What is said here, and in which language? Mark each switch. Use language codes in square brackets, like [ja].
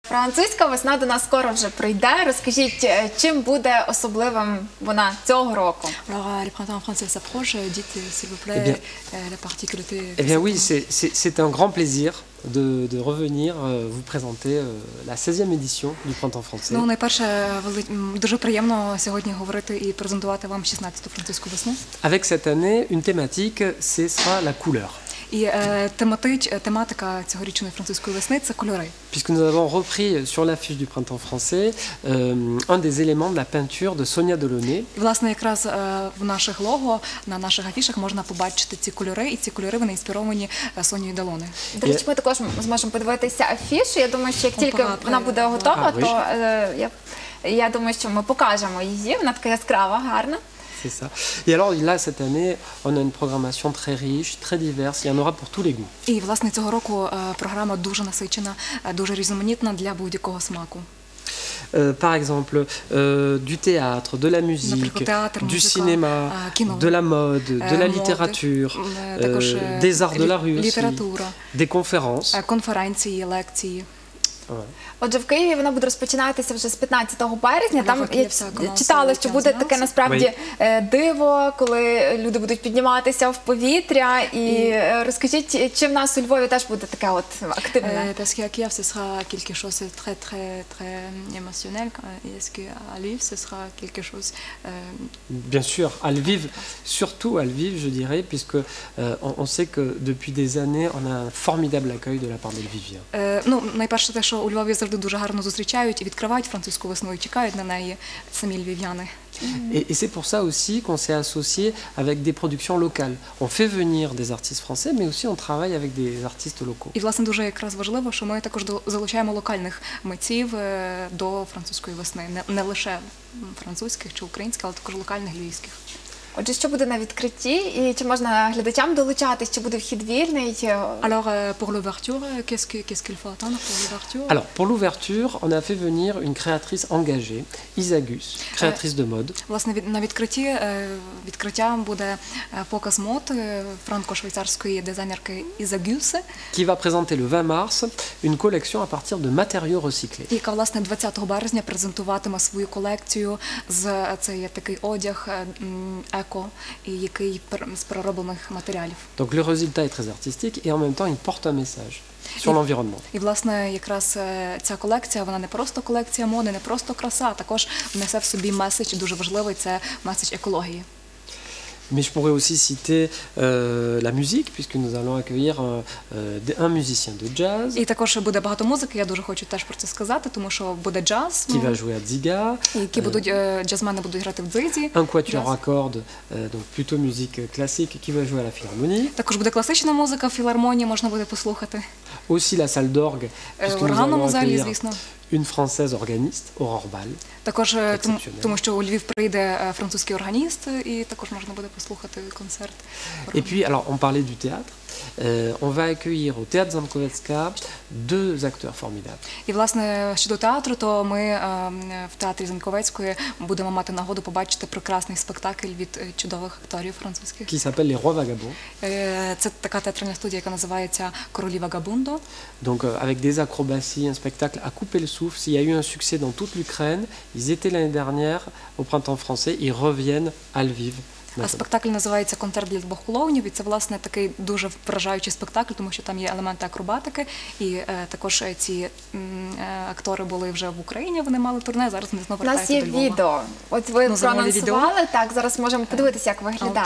[uk] Французька весна до нас скоро вже прийде. Розкажіть, чим буде особливим вона цього року? [fr] Alors, le printemps en France s'approche. Dites, s'il vous plaît, la particularité. Eh bien, oui, c'est un grand plaisir. De revenir vous présenter la 16e édition du Printemps français. [uk] Ну, найперше, дуже приємно сьогодні говорити і презентувати вам 16-ту французьку весну. [fr] Avec cette année, une thématique, ce sera la couleur. [uk] І тематика цьогорічної французької весни – це кольори. [fr] Puisque nous avons repris sur l'affiche du Printemps français un des éléments de la peinture de Sonia Delaunay. [uk] І, власне, якраз в наших лого, на наших афішах можна побачити ці кольори, і ці кольори, вони інспіровані Сонією Делоне. До речі, ми також зможемо подивитися афішу. Я думаю, що як тільки вона буде готова, то я думаю, що ми покажемо її. Вона така яскрава, гарна. [fr] C'est ça. Et alors là, cette année, on a une programmation très riche, très diverse, il y en aura pour tous les goûts. І, власне, цього року програма дуже насичена, дуже різноманітна для будь-якого смаку. Par exemple, du théâtre, de la musique, théâtre, du cinéma, de la mode, de la littérature, des arts de la rue aussi, des conférences. [uk] Конференції, лекції. Отже, в Києві вона буде розпочинатися вже з 15 березня. Там я читала, що буде таке насправді диво, коли люди будуть підніматися в повітря. І розкажіть, чи в нас у Львові теж буде таке от активне? [fr] Parce que à Kiev, ce sera quelque chose très très très émotionnel. Est-ce que à Lviv, ce sera quelque chose? Bien sûr, à Lviv, surtout à Lviv, je dirais, puisque on sait que depuis des années, on a un formidable accueil de la part des Lviviens. [uk] Ну, найперше те, що у Львові завжди дуже гарно зустрічають і відкривають французьку весну і чекають на неї самі львів'яни. [fr] Et c'est pour ça aussi qu'on s'est associé avec des productions locales. On fait venir des artistes français, mais aussi on travaille avec des artistes locaux. [uk] І, власне, дуже якраз важливо, що ми також залучаємо локальних митців до французької весни. Не лише французьких чи українських, але також локальних львівських. Отже, що буде на відкритті і чи можна глядачам долучатись, чи буде вхід вільний? [fr] Alors pour l'ouverture, qu'est-ce qu'il faut attendre pour l'ouverture? Alors pour l'ouverture, on a fait venir une créatrice engagée, Isagus, créatrice de mode. [uk] Власне, на відкритті відкриттям буде показ мод франко-швейцарської дизайнерки Isagus, [fr] qui va présenter le 20 mars une collection à partir de matériaux recyclés. [uk] Яка, власне, 20 березня презентуватиме свою колекцію з цей такий одяг еко, і який з перероблених матеріалів. [fr] Donc le résultat est très artistique et en même temps il porte un message sur l'environnement. [uk] І, власне, якраз ця колекція, вона не просто колекція моди, не просто краса, також несе в собі меседж дуже важливий, це меседж екології. [fr] Mais je pourrais aussi citer la musique, puisque nous allons accueillir un musicien de jazz. [uk] І також буде багато музики, я дуже хочу теж про це сказати, тому що буде джаз. [fr] Qui va jouer à Dziga. [uk] Які будуть, джазмани будуть грати в Дзизі. [fr] Un quatuor à cordes, donc plutôt musique classique, qui va jouer à la philharmonie. [uk] Також буде класична музика в філармонії, можна буде послухати. [fr] Aussi la salle d'orgue, puisque nous allons accueillir une française organiste, Aurore Ball. [uk] Також, тому що у Львів прийде французький органіст, і також можна буде послухати концерт. [fr] Et puis, alors, on parlait du théâtre. On va accueillir au théâtre Zamkovetska deux acteurs formidables. [uk] І, власне, щодо театру, то ми в театрі Замковецької будемо мати нагоду побачити прекрасний спектакль від чудових акторів французьких. [fr] Qui s'appelle Les Rois Vagabonds. [uk] Це така театральна студія, яка називається Королі Вагабундо. [fr] Donc, avec des acrobaties, un spectacle à couper le souffle. Il y a eu un succès dans toute l'Ukraine. Ils étaient l'année dernière au printemps français, ils reviennent à Lviv. [uk] А спектакль називається «Концерт для двох клоунів», і це, власне, такий дуже вражаючий спектакль, тому що там є елементи акробатики, і також ці актори були вже в Україні, вони мали турне, зараз вони знову вертаються до Львова. У нас є відео. От ви проанонсували, так, зараз можемо подивитися, як виглядає.